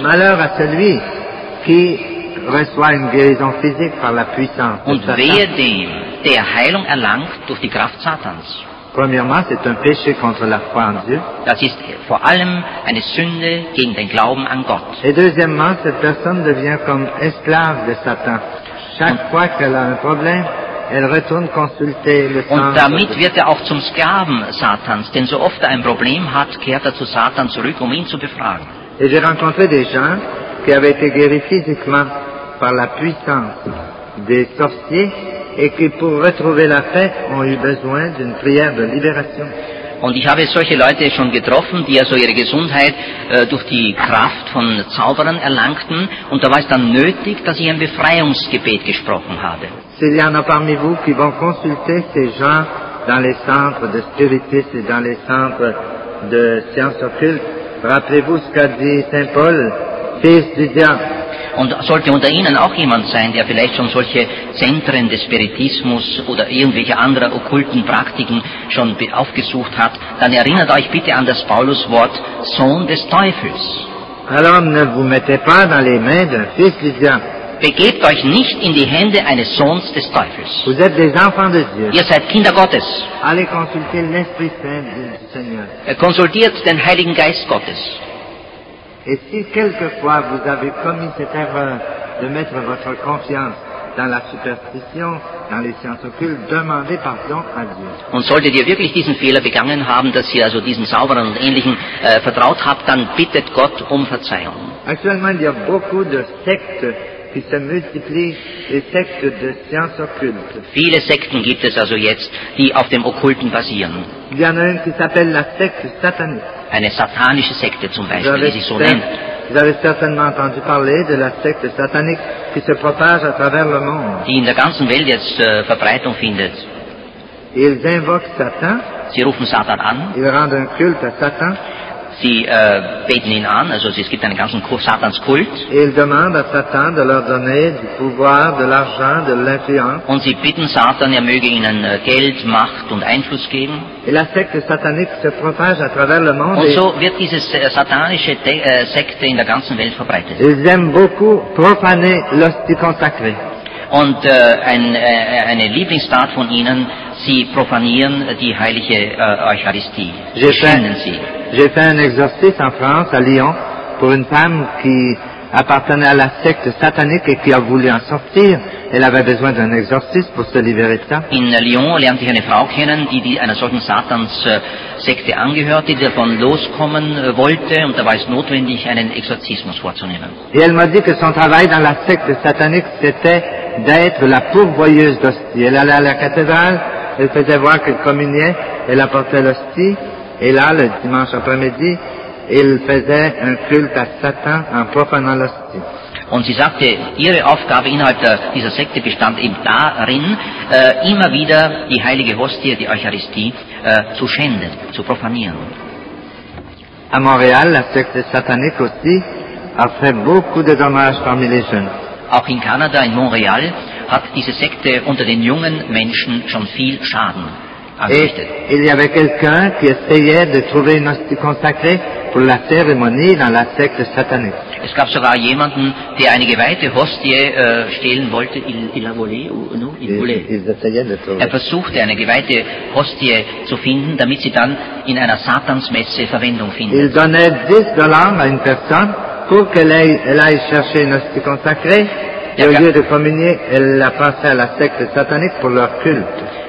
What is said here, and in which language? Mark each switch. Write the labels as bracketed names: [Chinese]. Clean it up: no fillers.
[French] Malheur à celui qui reçoit une guérison physique par la puissance [German] Und [French] de Satan. [German] Wehe dem, der Heilung erlangt durch die Kraft Satans. [French] Premièrement, c'est un péché contre la foi en Dieu. [German] Das ist vor allem eine Sünde gegen den Glauben an Gott. [French] Et deuxièmement, cette personne devient comme esclave de Satan. Chaque fois qu'elle a un problème, elle retourne consulter le [German] Und damit wird auch zum Sklaven Satans, denn so oft ein Problem hat, kehrt zu Satan zurück, ihn zu befragen. [French] Et j'ai rencontré des gens qui avaient été guéris physiquement par la puissance des sorciers, et qui pour retrouver la paix ont eu besoin d'une prière de libération. [German] Und ich habe solche Leute schon getroffen, die also ihre Gesundheit durch die Kraft von Zauberern erlangten, und da war es dann nötig, dass ich ein Befreiungsgebet gesprochen habe. [French] S'il y en a parmi vous qui vont consulter ces gens dans les centres de spiritisme et dans les centres de sciences occultes, rappelez-vous ce qu'a dit Saint Paul, fils du diable. [German] Und sollte unter Ihnen auch jemand sein, der vielleicht schon solche Zentren des Spiritismus oder irgendwelche anderen okkulten Praktiken schon aufgesucht hat, dann erinnert euch bitte an das Pauluswort Sohn des Teufels. [French] Alors ne vous mettez pas dans les mains d'un fils du diable. [German] Begebt euch nicht in die Hände eines Sohns des Teufels. [French] Vous êtes des enfants de Dieu. [German] Ihr seid Kinder Gottes. [French] Allez consulter l'Esprit Saint du Seigneur. [German] Konsultiert den Heiligen Geist Gottes. [French] Et si quelquefois vous avez commis cette erreur de mettre votre confiance dans la superstition, dans les sciences occultes, demandez pardon à Dieu. [German] Und solltet ihr wirklich diesen Fehler begangen haben, dass ihr also diesen Zauberern und ähnlichen vertraut habt, dann bittet Gott Verzeihung. [French] Actuellement, il y a beaucoup de sectes qui se multiplient, les sectes de sciences occultes. [German] Viele Sekten gibt es also jetzt, die auf dem Okkulten basieren. [French] Il y en a une qui s'appelle la secte satanique. [German] Eine satanische Sekte zum Beispiel, wie sie so nennt. [French] Vous avez certainement entendu parler de la secte satanique qui se propage à travers le monde. [German] Die in der ganzen Welt jetzt Verbreitung findet. [French] Ils invoquent Satan. [German] Sie rufen Satan an. [French] Ils rendent un culte à Satan. [German] Sie beten ihn an, also es gibt einen ganzen Satanskult. [French] Ils demandent à Satan de leur donner du pouvoir, de l'argent, de l'influence. [German] Und sie bitten Satan, er möge ihnen Geld, Macht und Einfluss geben. [French] Et la secte satanique se propage à travers le monde. [German] Und so wird diese satanische Sekte in der ganzen Welt verbreitet. [French] Ils aiment beaucoup profaner l'hostie consacrée. [German] Und eine Lieblingstat von ihnen, sie profanieren die heilige Eucharistie. Sie schänden sie. [French] J'ai fait un exorcisme en France, à Lyon, pour une femme qui appartenait à la secte satanique et qui a voulu en sortir. Elle avait besoin d'un exorcisme pour se libérer de ça. [German] In Lyon lernte ich eine Frau kennen, die einer solchen Satans-Sekte angehörte, die davon loskommen wollte, und da war es notwendig, einen Exorzismus vorzunehmen. [French] Et elle m'a dit que son travail dans la secte satanique, c'était d'être la pourvoyeuse d'hostie. Elle allait à la cathédrale, elle faisait voir qu'elle communiait, elle apportait l'hostie, et là, le dimanche après-midi, elle faisait un culte à Satan en profanant l'hostie. [German] Und sie sagte, ihre Aufgabe innerhalb dieser Sekte bestand eben darin, immer wieder die heilige Hostie, die Eucharistie, zu schänden, zu profanieren. [French] À Montréal, la secte satanique aussi a fait beaucoup de dommages parmi les jeunes. [German] Auch in Kanada, in Montreal, hat diese Sekte unter den jungen Menschen schon viel Schaden angerichtet. [French] Et il y avait quelqu'un qui essayait de trouver une hostie consacrée pour la cérémonie dans la secte satanique. [German] Es gab sogar jemanden, der eine geweihte Hostie stehlen wollte, er versuchte, eine geweihte Hostie zu finden, damit sie dann in einer Satansmesse Verwendung findet. [French] Il donnait 10 dollars à une personne pour qu'elle aille chercher une hostie consacrée, et au lieu de communier, elle la passait à la secte satanique pour leur culte.